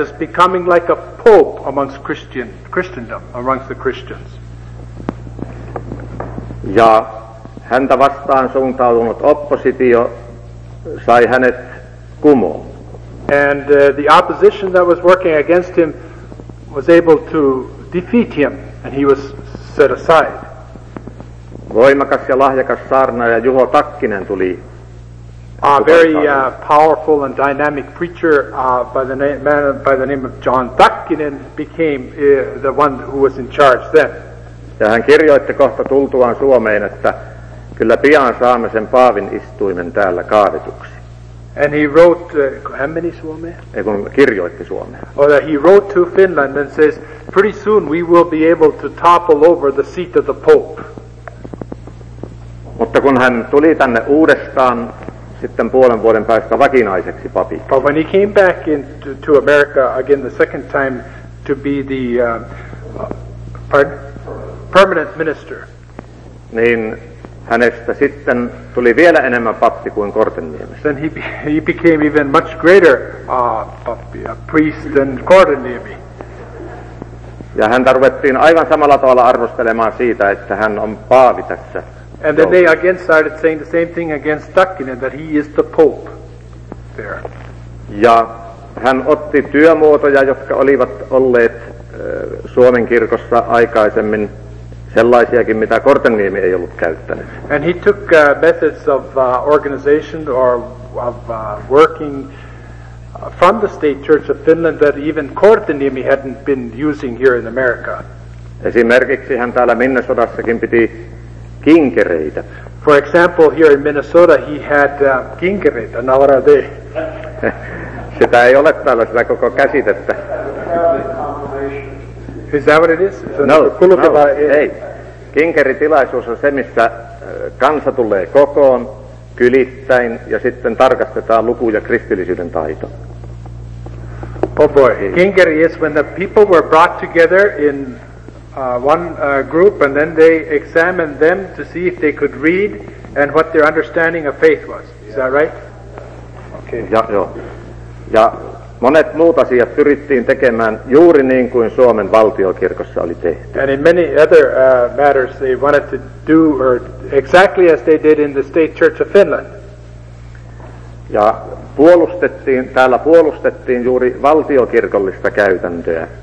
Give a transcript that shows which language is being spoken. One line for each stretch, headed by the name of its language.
English: as becoming like a pope amongst Christendom, amongst the Christians.
Finnish: Ja häntä vastaan suuntautunut oppositio sai hänet kumoon.
English: And the opposition that was working against him was able to defeat him and he was set aside.
Finnish: Voimakas ja lahjakas saarnaaja Juho Takkinen tuli.
English: A very powerful and dynamic preacher by the name of John Takkinen became the one who was in charge then.
Finnish: Ja hän kirjoitti kohta tultuaan Suomeen, että kyllä pian saamme sen paavin istuimen täällä kaadetuksi.
English: And he wrote,
Finnish: hän meni Suomeen? Ei, kun kirjoitti Suomeen.
English: Or that he wrote to Finland and says, pretty soon we will be able to topple over the seat of the Pope.
Finnish: Mutta kun hän tuli tänne uudestaan, sitten puolen vuoden päästä vakinaiseksi papi.
English: But when he came back into America again the second time to be the permanent minister,
Finnish: niin hänestä sitten tuli vielä enemmän pappi kuin Kortenniemestä.
English: Then he became even much greater pappi, a priest than Kortenniemi.
Finnish: Ja hän tarvittiin aivan samalla tavalla arvostelemaan siitä, että hän on paavi tässä.
English: And then they again started saying the same thing against Stuckinen, that he is the pope there.
Finnish: Ja hän otti työmuotoja, jotka olivat olleet Suomen kirkossa aikaisemmin, sellaisiakin, mitä Kortenniemi ei ollut käyttänyt.
English: And he took methods of organization or of working from the State Church of Finland that even Kortenniemi hadn't been using here in America.
Finnish: Esimerkiksi hän täällä Minnesotassakin piti kinkereitä.
English: For example, here in Minnesota he had kinkereitä, now what are they?
Finnish: Sitä ei ole täällä, sitä koko käsitettä.
English: Is that what it is?
Finnish: Ei. Kinkeritilaisuus on se, missä kansa tulee kokoon, kylittäin, ja sitten tarkastetaan luku- ja kristillisyyden taito.
English: Oh boy, kinkeri is when the people were brought together in one group, and then they examined them to see if they could read and what their understanding of faith was. Is that right? Okay.
Finnish: Ja monet muut asiat pyrittiin tekemään juuri niin kuin Suomen valtiokirkossa oli tehty.
English: And in many other matters they wanted to do or exactly as they did in the State Church of Finland.
Finnish: Ja puolustettiin, täällä puolustettiin juuri valtiokirkollista käytäntöä.